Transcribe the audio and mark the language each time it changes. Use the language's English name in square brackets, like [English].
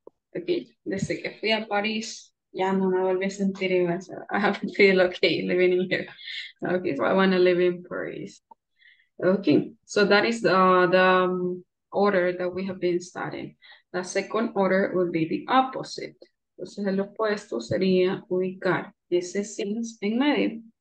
[Spanish] Okay, desde que fui a París, ya no me volví a sentir igual. [English] So I have to feel okay living in here. Okay, so I want to live in Paris. Okay, so that is the order that we have been studying. The second order would be the opposite. [Spanish] Entonces, el opuesto sería ubicar ese since en medio.